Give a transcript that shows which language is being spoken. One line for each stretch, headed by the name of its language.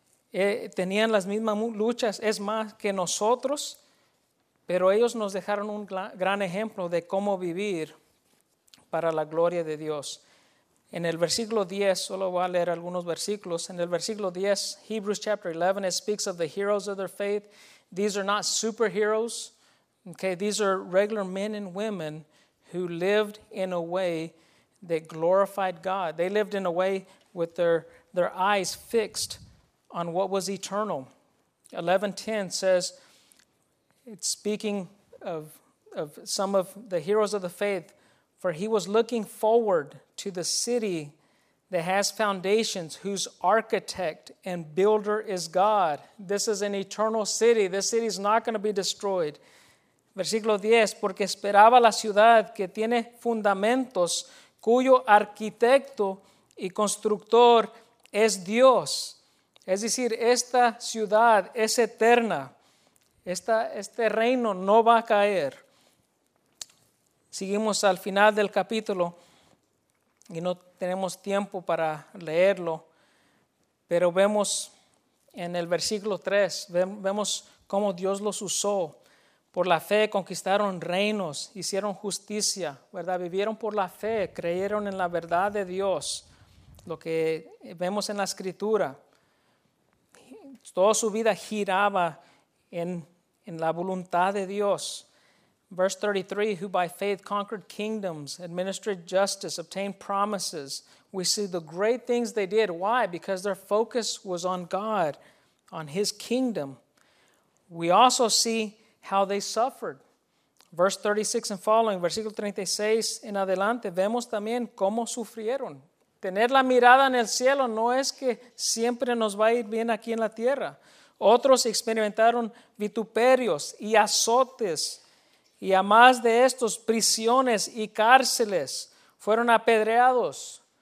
Spanish: Tenían las mismas luchas, es más que nosotros, pero ellos nos dejaron un gran ejemplo de cómo vivir para la gloria de Dios. En el versículo 10, solo voy a leer algunos versículos. En el versículo 10,
English: Hebrews chapter 11, it speaks of the heroes of their faith. These are not superheroes. Okay, these are regular men and women who lived in a way that glorified God. They lived in a way with their eyes fixed on what was eternal. 11:10 says, it's speaking of some of the heroes of the faith, for he was looking forward to the city that has foundations, whose architect and builder is God. This is an eternal city. This city is not going to be destroyed.
Spanish: Versículo 10, porque esperaba la ciudad que tiene fundamentos, cuyo arquitecto y constructor es Dios. Es decir, esta ciudad es eterna. Este reino no va a caer. Seguimos al final del capítulo y no tenemos tiempo para leerlo, pero vemos en el versículo 3, vemos cómo Dios los usó. Por la fe conquistaron reinos, hicieron justicia, ¿verdad? Vivieron por la fe, creyeron en la verdad de Dios, lo que vemos en la Escritura. Toda su vida giraba en la voluntad de Dios.
English: Verse 33, who by faith conquered kingdoms, administered justice, obtained promises. We see the great things they did. Why? Because their focus was on God, on his kingdom. We also see how they suffered. Verse 36 and following,
Spanish: versículo 36 en adelante, vemos también cómo sufrieron. Tener la mirada en el cielo no es que siempre nos va a ir bien aquí en la tierra. Otros experimentaron vituperios y azotes. Y a más de estos, prisiones y cárceles fueron apedreados.